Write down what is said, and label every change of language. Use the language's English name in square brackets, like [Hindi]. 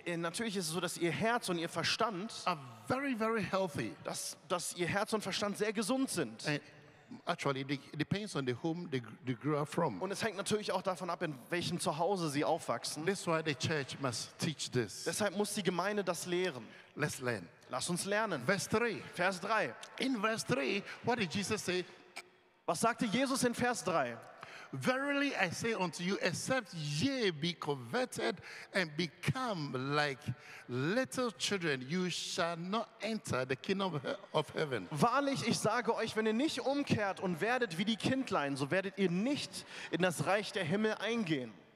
[German] natürlich ist es so, dass ihr Herz und ihr Verstand [English] are very, very healthy. [German] Dass ihr Herz und Verstand sehr gesund sind. [English] Actually, it depends on the home they grew up from. [German] Und es hängt natürlich auch davon ab, in welchem Zuhause sie aufwachsen. [English] That's why the church must teach this. [German] Deshalb muss die Gemeinde das lehren. [English] Let's learn. [German] Lass uns lernen. [English] Verse 3. [German] Vers 3. [English] In verse 3, what did Jesus say? [German] Was sagte Jesus in Vers 3? [English] Verily I say unto you, except ye be converted and become like little children, you shall not enter the kingdom of heaven. [German] Wahrlich, ich sage euch, wenn ihr nicht umkehrt und werdet wie die Kindlein, so werdet ihr nicht in das Reich der Himmel eingehen.